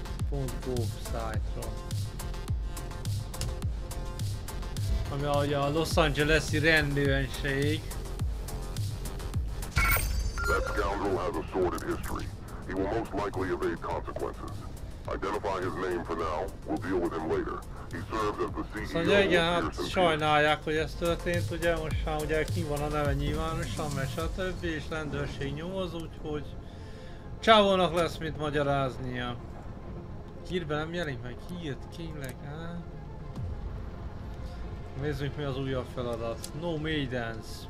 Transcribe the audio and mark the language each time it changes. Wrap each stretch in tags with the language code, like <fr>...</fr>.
<hu>LAPD.gov-szájtra. Ami ahogy a Los Angeles-i rendőrség.</hu> <en>That scoundrel has a sordid history. He will most likely evade consequences. Identify his name for now, we'll deal with him later. He served as the CEO of Pearson Pierce.</en> <hu>Hát sajnálják, hogy ez történt, ugye most már ugye ki van a neve nyilvánosan, mert stb. És rendőrség nyomoz, úgyhogy csávónak lesz mit magyaráznia. Hírben nem jelenik meg, hírt kényleg, hát? Nézzük, mi az újabb feladat. No Maidens.</hu>